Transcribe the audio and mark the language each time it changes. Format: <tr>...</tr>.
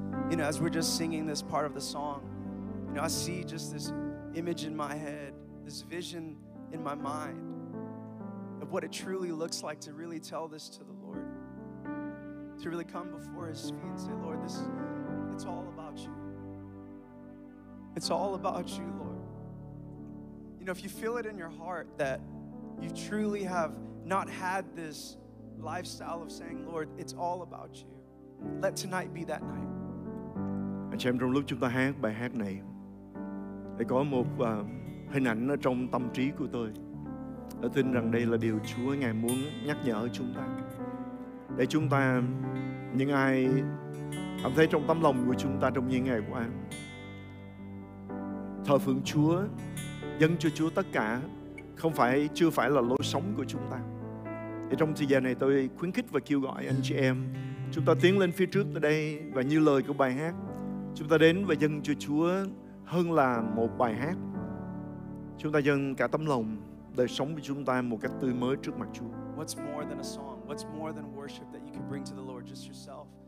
<en>You know, as we're just singing this part of the song, you know, I see just this image in my head, this vision in my mind of what it truly looks like to really tell this to the Lord, to really come before His feet and say, Lord, this, it's all about you. It's all about you, Lord. You know, if you feel it in your heart that you truly have not had this lifestyle of saying, Lord, it's all about you, let tonight be that night.</en> <vi>Anh chị em, trong lúc chúng ta hát bài hát này, để có một hình ảnh ở trong tâm trí của tôi. Tôi tin rằng đây là điều Chúa Ngài muốn nhắc nhở chúng ta. Để chúng ta, những ai cảm thấy trong tâm lòng của chúng ta trong những ngày qua, thờ phượng Chúa, dâng cho Chúa tất cả, chưa phải là lối sống của chúng ta. Thì trong thời gian này tôi khuyến khích và kêu gọi anh chị em, chúng ta tiến lên phía trước tới đây và như lời của bài hát, chúng ta đến và dâng cho Chúa hơn là một bài hát. Chúng ta dâng cả tâm lòng, đời sống của chúng ta một cách tươi mới trước mặt Chúa.</vi> <en>What's more than a song? What's more than worship that you can bring to the Lord just yourself?</en>